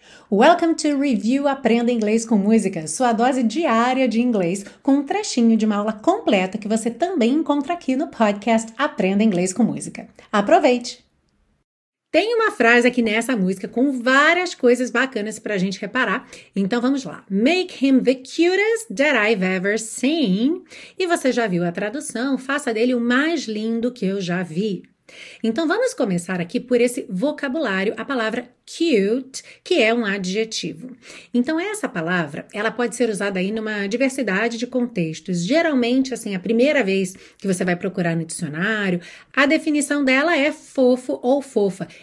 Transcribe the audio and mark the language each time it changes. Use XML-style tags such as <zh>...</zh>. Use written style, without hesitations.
<en>Welcome to Review</en> <pt>Aprenda Inglês com Música, sua dose diária de inglês, com um trechinho de uma aula completa que você também encontra aqui no podcast Aprenda Inglês com Música. Aproveite! Tem uma frase aqui nessa música com várias coisas bacanas pra gente reparar, então vamos lá.</pt> <en>Make him the cutest that I've ever seen.</en> <pt>E você já viu a tradução? Faça dele o mais lindo que eu já vi. Então, vamos começar aqui por esse vocabulário, a palavra cute, que é um adjetivo. Então, essa palavra, ela pode ser usada aí numa diversidade de contextos. Geralmente, assim, a primeira vez que você vai procurar no dicionário, a definição dela é fofo ou fofa.</pt>